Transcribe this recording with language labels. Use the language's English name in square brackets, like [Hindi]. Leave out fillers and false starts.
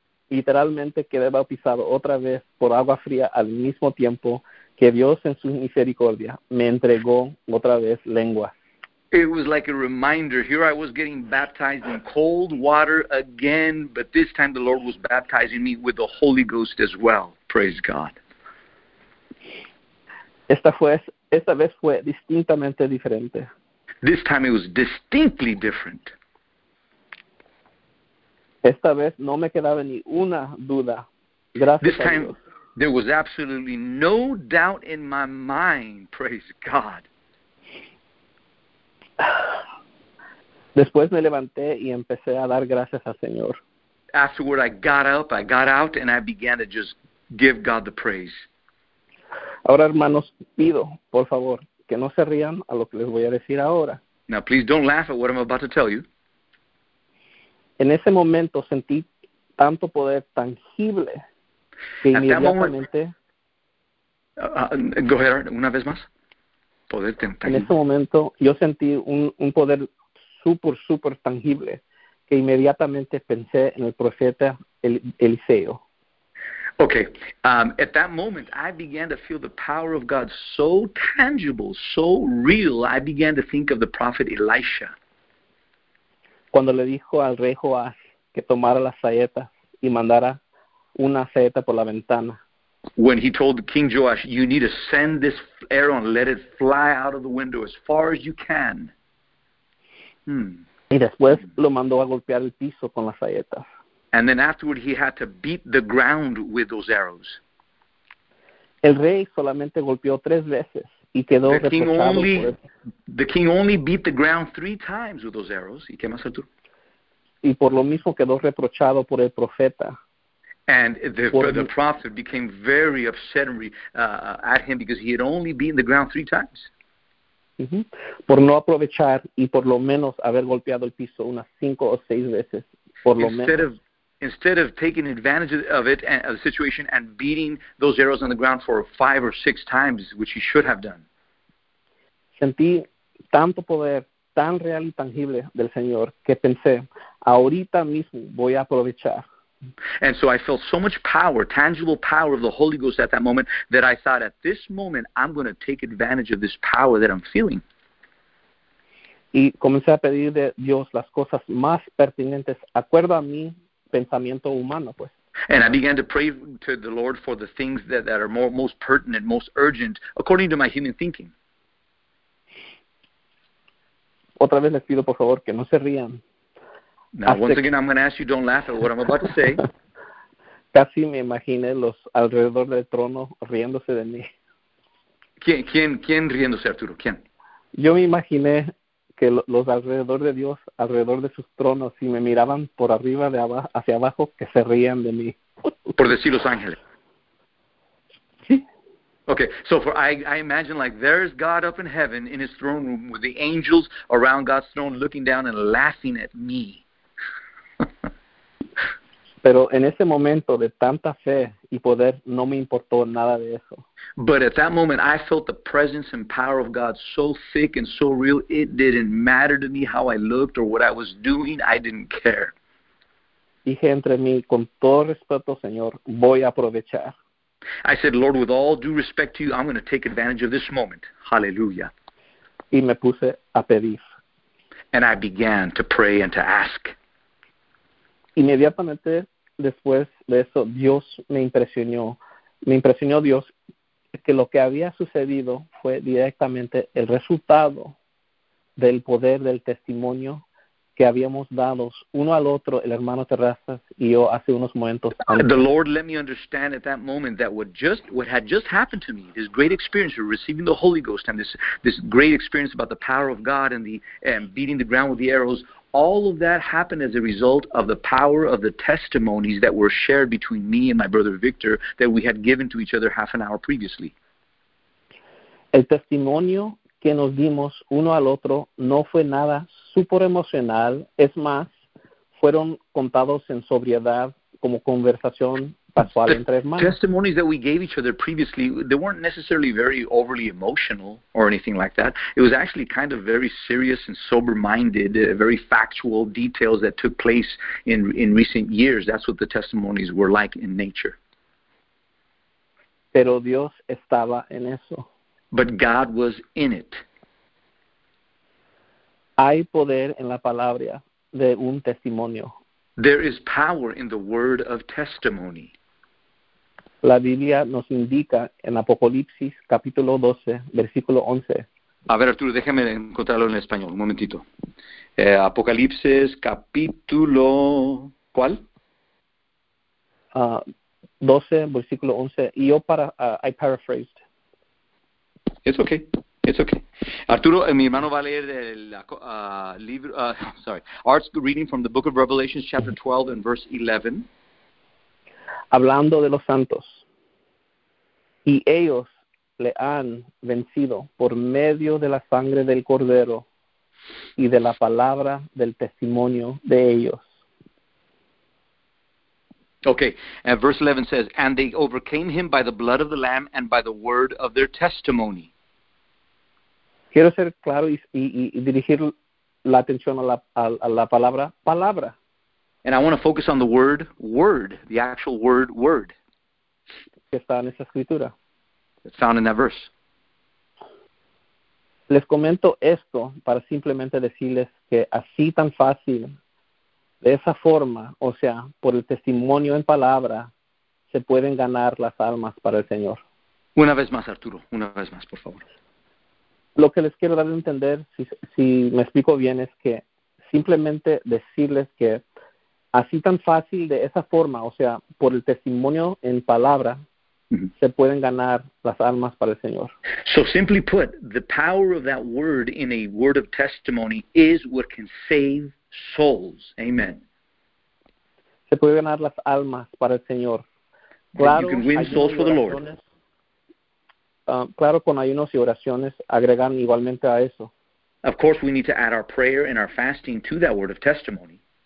[Spanish] Literalmente quedé bautizado otra vez por agua fría al mismo tiempo que Dios en su misericordia me entregó otra vez lenguas. [English] It was like a reminder. Here I was getting baptized in cold water again, but this time the Lord was baptizing me with the Holy Ghost as well. Praise God. [Spanish] Esta vez fue distintamente diferente. [English] This time it was distinctly different. [Spanish] Esta vez no me quedaba ni una duda. Gracias [English] this time, [Spanish] a Dios. [English] There was absolutely no doubt in my mind, praise God. [Spanish] Después me levanté y empecé a dar gracias al Señor. [English] afterward, I got up, I got out, and I began to just give God the praise. [Spanish] Ahora, hermanos, pido, por favor, que no se rían a lo que les voy a decir ahora. [English] Now, please don't laugh at what I'm about to tell you. [Spanish] En ese momento sentí tanto poder tangible que inmediatamente... [English] Go ahead, [Spanish] una vez más. Poder tangible. En ese momento yo sentí un poder súper, súper tangible que inmediatamente pensé en el profeta Eliseo. [English] Okay, at that moment, I began to feel the power of God so tangible, so real, I began to think of the prophet Elisha. [Spanish] Cuando le dijo al rey Joás que tomara las saetas y mandara una saeta por la ventana. [English] When he told King Joash, you need to send this arrow and let it fly out of the window as far as you can. [Spanish] Y después lo mandó a golpear el piso con las saetas. [English] And then afterward, he had to beat the ground with those arrows. [Spanish] El rey solamente golpeó tres veces y quedó reposado. [English] The king only beat the ground three times with those arrows. [Spanish] ¿Y qué más, Arturo? Y por lo mismo quedó reprochado por el profeta. [English] And the prophet became very upset at him because he had only beaten the ground three times. [Spanish] Por no aprovechar y por lo menos haber golpeado el piso unas cinco o seis veces, por lo menos. [English] Instead of taking advantage of it, of the situation, and beating those arrows on the ground for five or six times, which he should have done. [Spanish] Sentí tanto poder, tan real y tangible del Señor, que pensé, ahorita mismo voy a aprovechar. [English] And so I felt so much power, tangible power of the Holy Ghost at that moment, that I thought, at this moment, I'm going to take advantage of this power that I'm feeling. [Spanish] Y comencé a pedir de Dios las cosas más pertinentes. Acuerdo a mí. Pensamiento humano, pues. [English] And I began to pray to the Lord for the things that are most pertinent, most urgent, according to my human thinking. [Spanish] Otra vez les pido, por favor, que no se rían. [English] Once again, I'm going to ask you, don't laugh at what I'm about to say. [Spanish] Casi me imaginé los alrededor del trono riéndose de mí. ¿Quién riéndose, Arturo? ¿Quién? Yo me imaginé que los alrededor de Dios, alrededor de sus tronos, si me miraban por arriba de abajo, hacia abajo, que se rían de mí. Por decir los ángeles. Sí. [English] Okay, so I imagine like there's God up in heaven in his throne room with the angels around God's throne looking down and laughing at me. [Spanish] Pero en ese momento de tanta fe y poder, no me importó nada de eso. [English] But at that moment, I felt the presence and power of God so thick and so real, it didn't matter to me how I looked or what I was doing, I didn't care. [Spanish] Dije entre mí, con todo respeto, Señor, voy a aprovechar. [English] I said, Lord, with all due respect to you, I'm going to take advantage of this moment. Hallelujah. [Spanish] Y me puse a pedir. [English] And I began to pray and to ask. [Spanish] Inmediatamente después de eso, Dios me impresionó. Me impresionó Dios que lo que había sucedido fue directamente el resultado del poder del testimonio que habíamos dado uno al otro, el hermano Terrazas y yo, hace unos momentos antes. [English] The Lord let me understand at that moment that what had just happened to me, this great experience of receiving the Holy Ghost and this great experience about the power of God and beating the ground with the arrows, all of that happened as a result of the power of the testimonies that were shared between me and my brother Victor that we had given to each other half an hour previously. [Spanish] El testimonio que nos dimos uno al otro no fue nada súper emocional. Es más, fueron contados en sobriedad como conversación casual entre hermanos. [English] The testimonies that we gave each other previously, they weren't necessarily very overly emotional or anything like that. It was actually kind of very serious and sober-minded, very factual details that took place in recent years. That's what the testimonies were like in nature. [Spanish] Pero Dios estaba en eso. [English] But God was in it. [Spanish] Hay poder en la palabra de un testimonio. [English] There is power in the word of testimony. [Spanish] La Biblia nos indica en Apocalipsis, capítulo 12, versículo 11. A ver, Arturo, déjame encontrarlo en español, un momentito. Apocalipsis, capítulo, ¿cuál? 12, versículo 11. Y yo [English] I paraphrased. It's okay. It's okay. [Spanish] Arturo, mi hermano va a leer el libro, [English] sorry, Art's reading from the book of Revelation, chapter 12 and verse 11. [Spanish] Hablando de los santos, y ellos le han vencido por medio de la sangre del Cordero y de la palabra del testimonio de ellos. [English] Okay, and verse 11 says, and they overcame him by the blood of the Lamb and by the word of their testimony. [Spanish] Quiero ser claro y dirigir la atención a la palabra, palabra. [English] And I want to focus on the word, word, the actual word, word. [Spanish] Que está en esa escritura. [English] It's found in that verse. [Spanish] Les comento esto para simplemente decirles que así tan fácil, de esa forma, o sea, por el testimonio en palabra, se pueden ganar las almas para el Señor. Una vez más, Arturo, una vez más, por favor. Lo que les quiero dar a entender, si me explico bien, es que simplemente decirles que así tan fácil, de esa forma, o sea, por el testimonio en palabra, se pueden ganar las almas para el Señor. [English] So simply put, the power of that word in a word of testimony is what can save souls. Amen. [Spanish] Se puede ganar las almas para el Señor. Claro, [English] you can win souls for the Lord. [Spanish] Claro, con ayunos y oraciones agregan igualmente a eso. [English] Of course, we need to add our prayer and our fasting to that word of testimony.